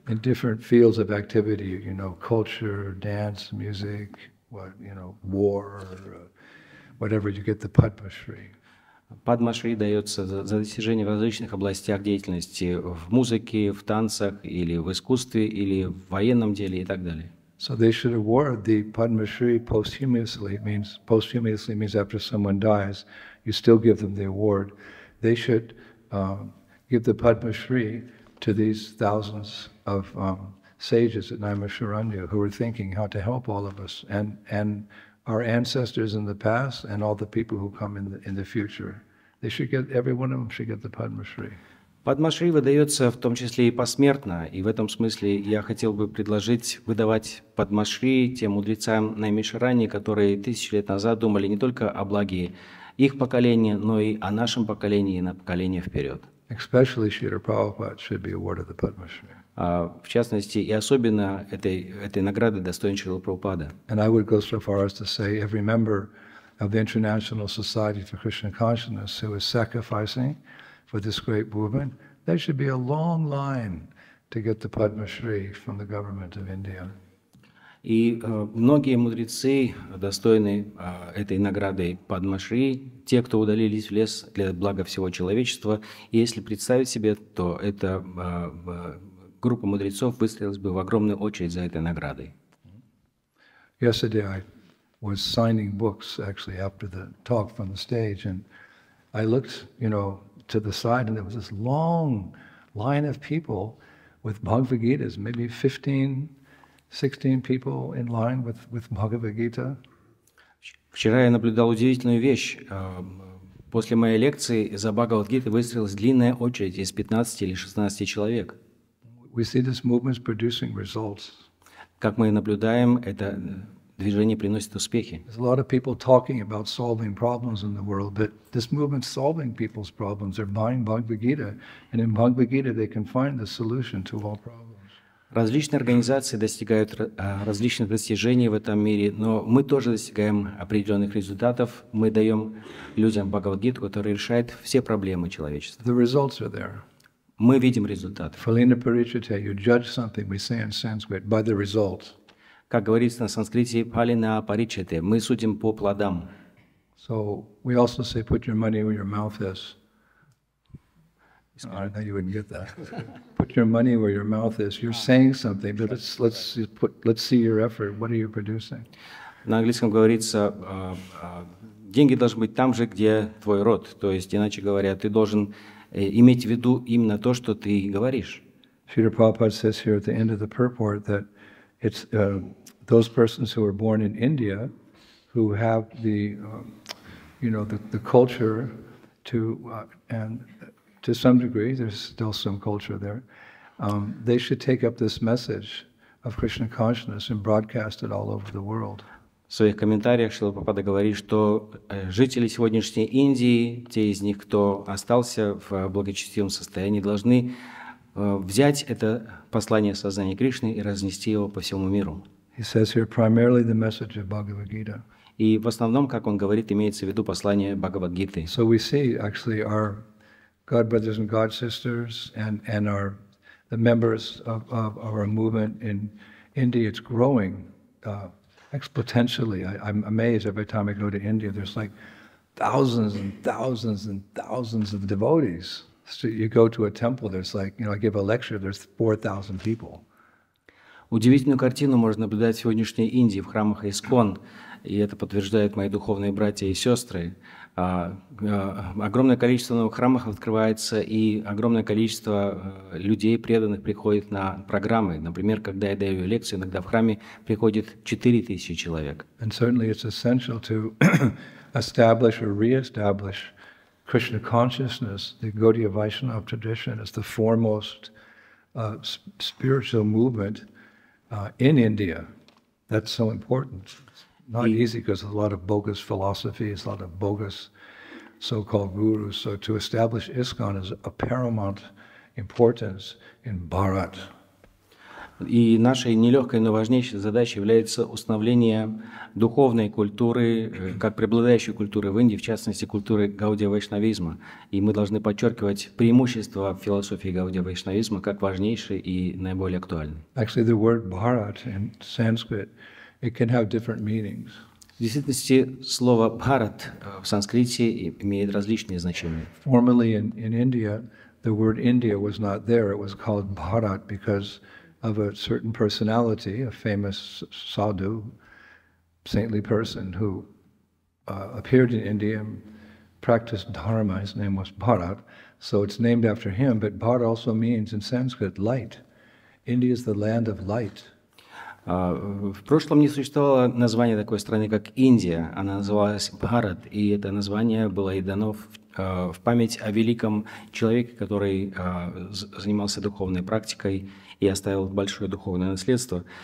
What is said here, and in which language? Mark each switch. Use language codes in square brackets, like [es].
[en] In different fields of activity, you know, culture, dance, music, what, you know, war, whatever, you get the Padma Shri. [ru] Padma Shri дается за достижения в различных областях деятельности, в музыке, в танцах, или в искусстве, или в военном деле и так далее. [en] So they should award the Padma Shri posthumously. It means posthumously means after someone dies, you still give them the award. they should give the Padma Shri to these thousands of sages at Naimasharanya who were thinking how to help all of us and our ancestors in the past and all the people who come in the future. They should get, every one of them should get the Padma Shri. [ru] Padma Shri выдается в том числе и посмертно, и в этом смысле я хотел бы предложить выдавать Padma Shri тем мудрецам Наймишарани, которые тысячи лет назад думали не только о благе их поколения, но и о нашем поколении и на поколение вперед. [en] Especially Srila Prabhupada should be awarded the Padma Shri. [ru] В частности, и особенно этой награды достоин Шрила Прабхупада. [en] And I would go so far as to say every member of the International Society for Krishna Consciousness who is sacrificing for this great movement, there should be a long line to get the Padma Shri from the government of India. [ru] И многие мудрецы достойны этой награды Padma Shri, те, кто удалились в лес для блага всего человечества. И если представить себе, то эта группа мудрецов выстроилась бы в огромную очередь за этой наградой. [en] Yesterday I was signing books, actually, after the talk from the stage, and I looked, you know, to the side, and there was this long line of people with Bhagavad Gita's, maybe 16 people in line with Bhagavad Gita. [ru] Вчера я наблюдал удивительную вещь. После моей лекции за Бхагавад Гиты выстроилась длинная очередь из 15 или 16 человек. [en] We see this movement producing results. [ru] Как мы наблюдаем, это движение приносит успехи. [en] There's a lot of people talking about solving problems in the world, but this movement solving people's problems. They're buying Bhagavad Gita, and in Bhagavad Gita they can find the solution to all problems. [ru] Различные организации достигают различных достижений в этом мире, но мы тоже достигаем определенных результатов. Мы даем людям Бхагавад-гиту, который решает все проблемы человечества. [en] The results are there. [ru] Мы видим результаты. [sa] Phalina Parichita, [en] you judge something, we say in Sanskrit, by the result. [ru] Как говорится на санскрите, [sa] Phalina Parichita, [ru] мы судим по плодам. [en] So we also say, put your money where your mouth is. I thought you wouldn't get that. Put your money where your mouth is. You're saying something, but let's see your effort. What are you producing? [ru] На английском говорится, деньги должны быть там же, где твой рот. То есть, иначе говоря, ты должен иметь в виду именно то, что ты говоришь. [en] Srila Prabhupada says here at the end of the purport that it's those persons who are born in India who have the, you know, the culture to and to some degree, there's still some culture there. They should take up this message of Krishna consciousness and broadcast it all over the world. [ru] В своих комментариях Шрила Прабхупада говорит, что жители сегодняшней Индии, те из них, кто остался в благочестивом состоянии, должны взять это послание сознания Кришны и разнести его по всему миру. [en] He says here primarily the message of Bhagavad Gita. [ru] И в основном, как он говорит, имеется в виду послание Бхагавад-гиты. [en] So we see actually our God brothers and God sisters, and our the members of our movement in India, it's growing exponentially. I'm amazed every time I go to India. There's like thousands and thousands and thousands of devotees. So you go to a temple, there's like, you know, I give a lecture, there's 4,000 people. [ru] Удивительную картину можно наблюдать в сегодняшней Индии в храмах ИСКОН, и это подтверждают мои духовные братья и сестры. Огромное количество новых храмов открывается, и огромное количество людей преданных приходит на программы. Например, когда я даю лекцию, иногда в храме приходит 4000 человек. [en] And certainly it's essential to establish or re-establish Krishna consciousness. The Gaudiya Vaishnava tradition is the foremost spiritual movement in India. That's so important. Not easy because there's a lot of bogus philosophy, there's a lot of bogus so-called gurus. So to establish ISKCON is a paramount importance in Bharat. [ru] И нашей нелегкой, но важнейшей задачей является установление духовной культуры, как преобладающей культуры в Индии, в частности, культуры Гаудия Вайшнавизма. И мы должны подчеркивать преимущества философии Гаудия Вайшнавизма как важнейшей и наиболее актуальной. [en] Actually, the word Bharat in Sanskrit, it can have different meanings. [ru] В действительности, слово Bharat в санскрите имеет различные значения. [en] Formerly in India, the word India was not there. It was called Bharat because of a certain personality, a famous sadhu, saintly person who appeared in India practiced dharma. His name was Bharat. So it's named after him, but Bhar also means in Sanskrit light. India is the land of light. [ru] В прошлом не существовало названия такой страны, как Индия. Она называлась Бхарат, и это название было и дано в память о великом человеке, который занимался духовной практикой и оставил большое духовное наследство.